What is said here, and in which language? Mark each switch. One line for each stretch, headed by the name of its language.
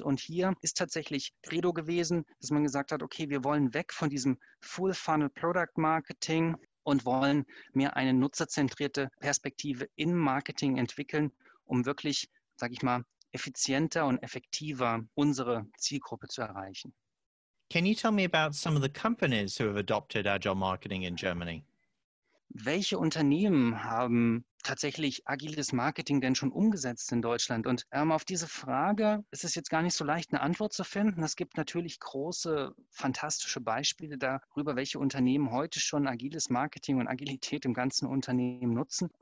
German: Und hier ist tatsächlich Credo gewesen, dass man gesagt hat, okay, wir wollen weg von diesem Full-Funnel-Product-Marketing und wollen mehr eine nutzerzentrierte Perspektive im Marketing entwickeln, um wirklich, sage ich mal, effizienter und effektiver unsere Zielgruppe zu erreichen.
English: Can you tell me about some of the companies who have adopted Agile Marketing in Germany?
German: Welche Unternehmen haben tatsächlich agiles Marketing denn schon umgesetzt in Deutschland? Und auf diese Frage ist es jetzt gar nicht so leicht, eine Antwort zu finden. Es gibt natürlich große, fantastische Beispiele darüber, welche Unternehmen heute schon agiles Marketing und Agilität im ganzen Unternehmen nutzen.